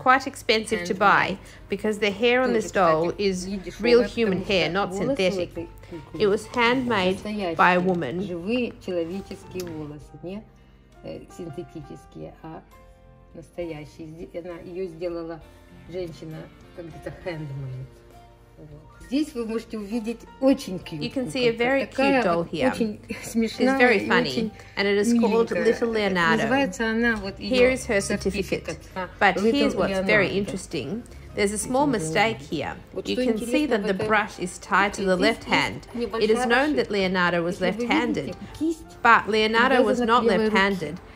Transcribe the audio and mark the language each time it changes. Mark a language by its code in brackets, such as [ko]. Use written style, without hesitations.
[en] Quite expensive and to buy because the hair on this doll is real human hair, not synthetic. It was handmade by a woman. [ru] Живые человеческие волосы, не синтетические, а настоящие. Она ее сделала женщина, как это handmade. Здесь вы можете увидеть очень cute. [en] You can see a very cute doll here. [ru] Очень смешная. [en] It's very funny, and it is called Little Leonardo. Here is her certificate, but here's what's very interesting. There's a small mistake here. You can see that the brush is tied to the left hand. It is known that Leonardo was left-handed, but Leonardo was not left-handed.